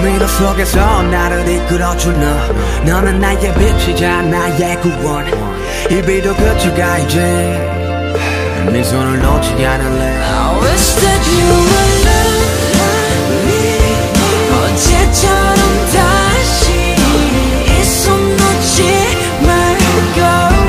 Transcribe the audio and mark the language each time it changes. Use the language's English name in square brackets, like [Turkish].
[Korean] 미로 속에서 나를 이끌어준 너. 너는 나의 빛이자 나의 구원. 이비도 그추가 이제 네 손을 놓지 않을래. [English] I wish that you would love me. [Korean] 어제처럼 다시 이 손 놓지 말고.